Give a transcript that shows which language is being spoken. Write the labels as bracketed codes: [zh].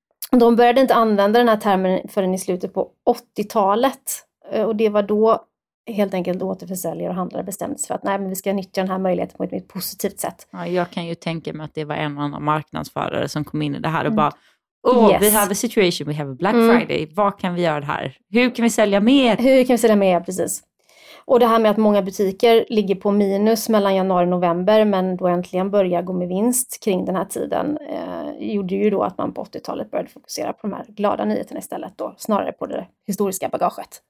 [sv] De började inte använda den här termen förrän i slutet på 80-talet. Och det var då helt enkelt återförsäljare och handlare bestämdes för att nej men vi ska nyttja den här möjligheten på ett mer positivt sätt. Ja, jag kan ju tänka mig att det var en annan marknadsförare som kom in i det här och bara... [en] Oh, yes. We have a situation, we have a Black Friday. [sv] Vad kan vi göra här? Hur kan vi sälja mer? Hur kan vi sälja mer, precis. Och det här med att många butiker ligger på minus mellan januari och november men då äntligen börjar gå med vinst kring den här tiden gjorde ju då att man på 80-talet började fokusera på de här glada nyheterna istället då, snarare på det historiska bagaget.